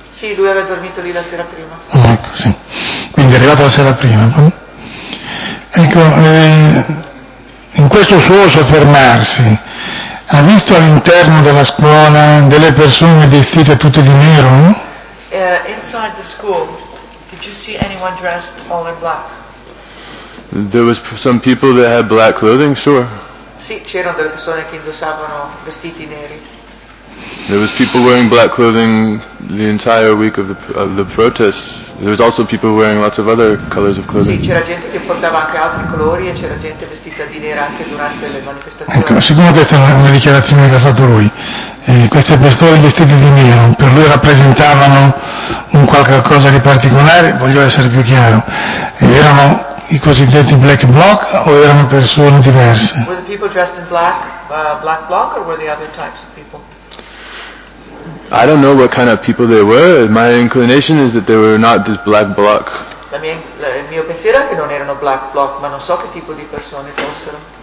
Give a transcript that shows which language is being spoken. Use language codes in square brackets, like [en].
[it] Sì, lui aveva dormito lì la sera prima. Ah, ecco, sì. Quindi è arrivato la sera prima. Ecco, in questo suo soffermarsi, ha visto all'interno della scuola delle persone vestite tutte di nero? No? [en] Inside the school, did you see anyone dressed all in black? There was some people that had black clothing, sure. [it] Sì, c'erano delle persone che indossavano vestiti neri. [en] There was people wearing black clothing the entire week of the protest. There was also people wearing lots of other colors of clothing. [it] Sì, c'era gente che portava anche altri colori e c'era gente vestita di nera anche durante le manifestazioni. Ecco, secondo questa è una dichiarazione che ha fatto lui. Queste persone vestite di nero per lui rappresentavano un qualche cosa di particolare, voglio essere più chiaro. Erano i cosiddetti black bloc o erano persone diverse? [en] Were the people dressed in black, black bloc, or were they other types of people? I don't know what kind of people they were. My inclination is that they were not this black bloc. [it] Il mio pensiero è che non erano black bloc, ma non so che tipo di persone fossero.